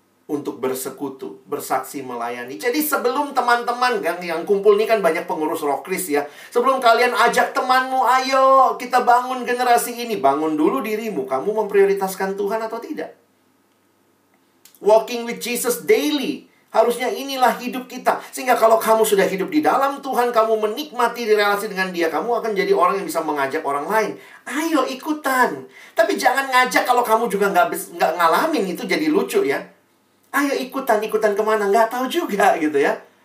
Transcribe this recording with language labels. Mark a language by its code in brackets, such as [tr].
[id] Untuk bersekutu, bersaksi, melayani. Jadi sebelum teman-teman yang kumpul ini kan banyak pengurus Rokris ya. Sebelum kalian ajak temanmu, ayo kita bangun generasi ini. Bangun dulu dirimu, kamu memprioritaskan Tuhan atau tidak? [en] Walking with Jesus daily. [id] Harusnya inilah hidup kita. Sehingga kalau kamu sudah hidup di dalam Tuhan, kamu menikmati relasi dengan dia, kamu akan jadi orang yang bisa mengajak orang lain. Ayo ikutan. Tapi jangan ngajak kalau kamu juga gak ngalamin, itu jadi lucu ya. Ayo ikutan kemana, gak tahu juga gitu ya.